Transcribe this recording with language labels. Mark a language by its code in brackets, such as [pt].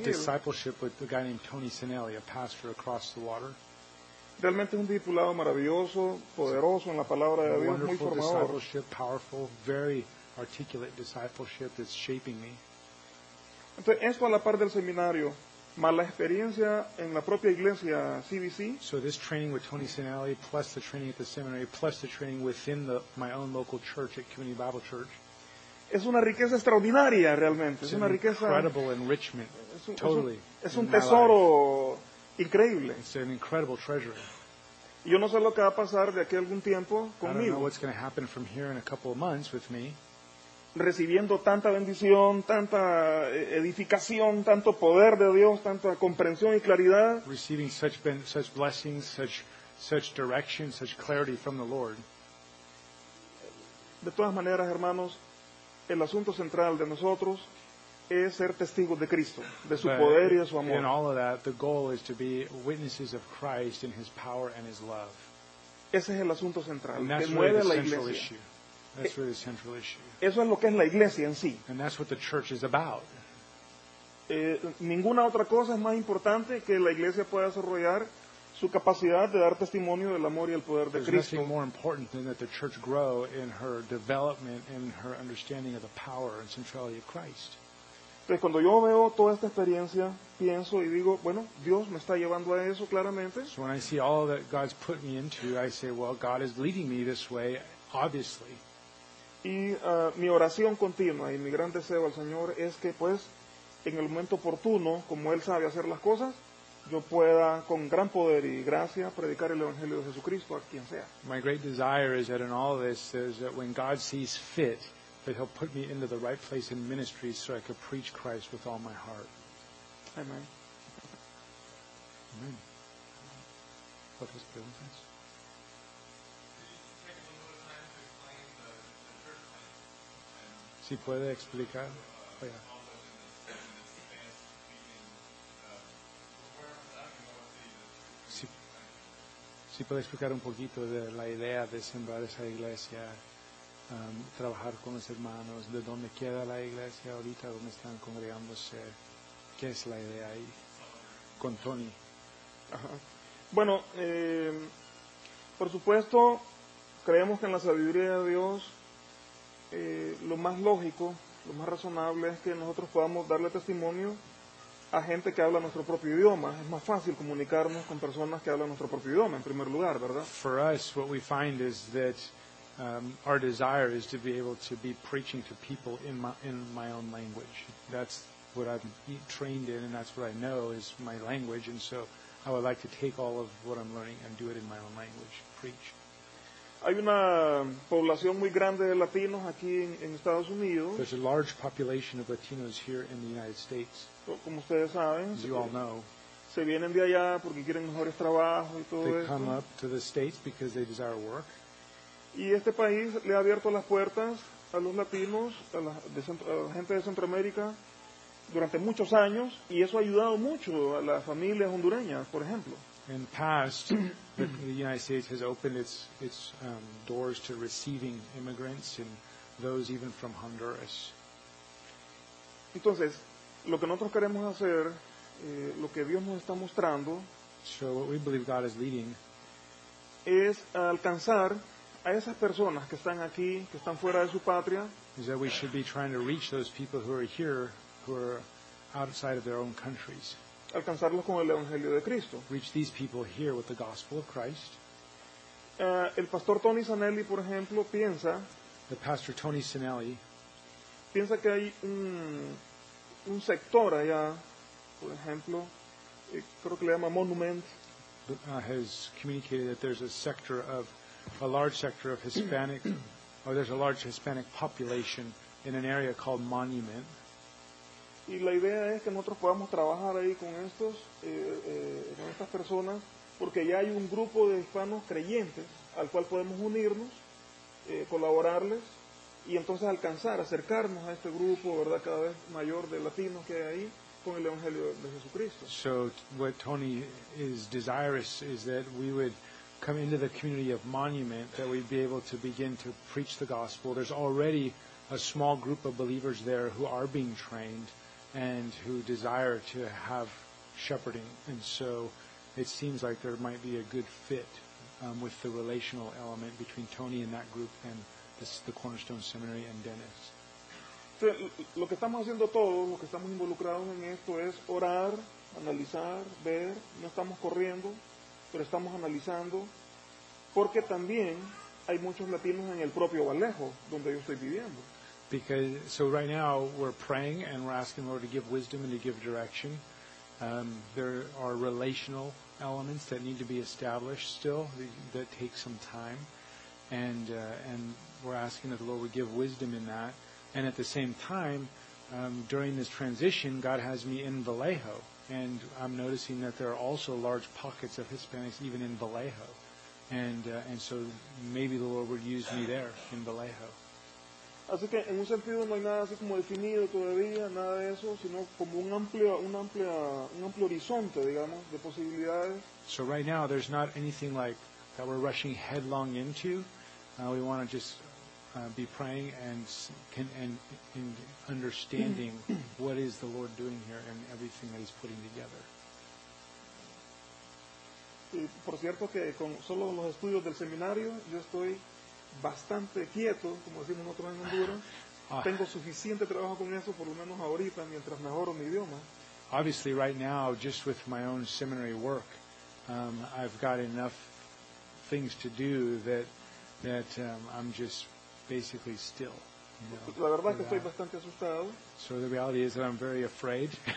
[en] A discipleship with a guy named Tony Sanelli, a pastor across the water. [es] Realmente un discipulado maravilloso, poderoso en la palabra de Dios, muy formador. [en] Wonderful discipleship, powerful, very articulate discipleship that's shaping me. [es] Entonces, esto a la par del seminario, más la experiencia en la propia iglesia CBC. [en] So this training with Tony Sanelli, plus the training at the seminary, plus the training within my own local church at Community Bible Church. [es] Es una riqueza extraordinaria, realmente. [en] It's [es] es una riqueza. [en] Incredible enrichment. Totally. [es] Es un tesoro increíble. [en] It's an incredible treasure. [es] Yo no sé lo que va a pasar de aquí a algún tiempo conmigo. [en] I don't know what's going to happen from here in a couple of months with me. [es] Recibiendo tanta bendición, tanta edificación, tanto poder de Dios, tanta comprensión y claridad. [en] Receiving such blessings, such direction, such clarity from the Lord. [es] De todas maneras, hermanos, el asunto central de nosotros es ser testigos de Cristo, de su poder y de su amor. [en] In all of that, the goal is to be witnesses of Christ in His power and His love. [es] Ese es el asunto central. [en] And that's [es] que mueve [en] really [es] la iglesia. [en] Issue. That's really the central issue. [es] Eso es lo que es la iglesia en sí. [en] And that's what the church is about. [es] Ninguna otra cosa es más importante que la iglesia pueda desarrollar su capacidad de dar testimonio del amor y el poder de Cristo. [en] There's nothing more important than that the church grow in her development and her understanding of the power and centrality of Christ. [es] Pues cuando yo veo toda esta experiencia, pienso y digo, bueno, Dios me está llevando a eso claramente. [en] So when I see all that God's put me into, I say, well, God is leading me this way, obviously. [es] Y mi oración continua y mi gran deseo al Señor es que, pues, en el momento oportuno, como Él sabe hacer las cosas, yo pueda, con gran poder y gracia, predicar el Evangelio de Jesucristo a quien sea. [en] My great desire is that in all this, is that when God sees fit, that He'll put me into the right place in ministry so I could preach Christ with all my heart. Amen. Amen. What was the other thing? [es] ¿Sí puede explicar? [en] Oh, yeah. [es] ¿Sí puede explicar un poquito de la idea de sembrar esa iglesia, trabajar con los hermanos, de dónde queda la iglesia ahorita, dónde están congregándose, qué es la idea ahí, con Tony? Ajá. Bueno, por supuesto, creemos que en la sabiduría de Dios, lo más lógico, lo más razonable es que nosotros podamos darle testimonio a gente que habla nuestro propio idioma. Es más fácil comunicarnos con personas que hablan nuestro propio idioma, en primer lugar, ¿verdad? [en] For us, what we find is that our desire is to be able to be preaching to people in my own language. That's what I'm trained in, and that's what I know is my language. And so, I would like to take all of what I'm learning and do it in my own language, preach. [es] Hay una población muy grande de latinos aquí en Estados Unidos. [en] There's a large population of Latinos here in the United States. [es] Como ustedes saben, [en] you all know, [es] se vienen de allá porque quieren mejores trabajos y todo [en] they They come up to the States because they desire work. [es] Y este país le ha abierto las puertas a los latinos, a la gente de Centroamérica durante muchos años, y eso ha ayudado mucho a las familias hondureñas, por ejemplo. [en] In the past, the United States has opened its doors to receiving immigrants and those even from Honduras. [es] Entonces, lo que nosotros queremos hacer, lo que Dios nos está mostrando, [en] so what we believe God is leading, [es] es alcanzar a esas personas que están aquí, que están fuera de su patria, [en] is that we should be trying to reach those people who are here, who are outside of their own countries. [es] Alcanzarlos con el Evangelio de Cristo. [en] Reach these people here with the gospel of Christ. [es] El pastor Tony Sanelli, por ejemplo, piensa. [en] The pastor Tony Sanelli [es] piensa que hay un sector allá, por ejemplo, creo que le llama Monument. [en] Has communicated that there's a large sector of Hispanic, or there's a large Hispanic population in an area called Monument. [es] Y la idea es que nosotros podamos trabajar ahí con estos, con estas personas, porque ya hay un grupo de hispanos creyentes al cual podemos unirnos, colaborarles, y entonces alcanzar, acercarnos a este grupo, ¿verdad?, cada vez mayor de latinos que hay ahí, con el Evangelio de Jesucristo. [en] So, what Tony is desirous is that we would come into the community of Monument, that we'd be able to begin to preach the gospel. There's already a small group of believers there who are being trained and who desire to have shepherding. And so it seems like there might be a good fit with the relational element between Tony and that group and the Cornerstone Seminary and Dennis. [es] So, lo que estamos haciendo todos, lo que estamos involucrados en esto es orar, analizar, ver. No estamos corriendo, pero estamos analizando, porque también hay muchos latinos en el propio Vallejo, donde yo estoy viviendo. [en] So right now we're praying and we're asking the Lord to give wisdom and to give direction. There are relational elements that need to be established still, that take some time. And we're asking that the Lord would give wisdom in that. And at the same time, during this transition, God has me in Vallejo. And I'm noticing that there are also large pockets of Hispanics even in Vallejo. And so maybe the Lord would use me there in Vallejo. [es] Así que en un sentido no hay nada así como definido todavía, nada de eso, sino como un amplio horizonte, digamos, de posibilidades. [en] So right now there's not anything like that we're rushing headlong into. We want to just be praying and understanding what is the Lord doing here and everything that He's putting together. [es] Y por cierto que con solo los estudios del seminario, yo estoy bastante quieto, como decimos nosotros en Honduras. Tengo suficiente trabajo con eso, por lo menos ahorita, mientras mejoro mi idioma. [en] Obviously, right now, just with my own seminary work, I've got enough things to do that I'm just basically still. You know, [es] la verdad es que estoy bastante asustado. [en] So the reality is that I'm very afraid.